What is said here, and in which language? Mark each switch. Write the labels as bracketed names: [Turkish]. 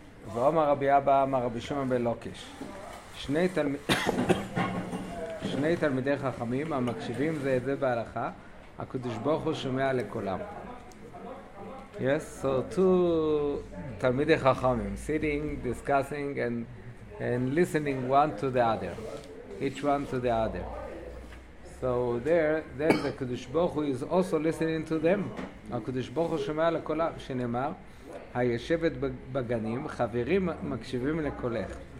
[Hebrew] V'omar Rabbi Abba, Amar Rabbi Shimon ben Lokish. שני תלמידי חכמים המקשיבים זה את זה בהלכה, הקדוש ברוך הוא שומע לכולם. [English] Yes, so two תלמידי חכמים, sitting, discussing and listening one to the other. Each one to the other. So then the Kodesh Baruch Hu is also listening to them. [Hebrew] HaKodesh Baruch Hu שומע לכל שנאמר, הישבת בגנים, חברים מקשיבים לכולך.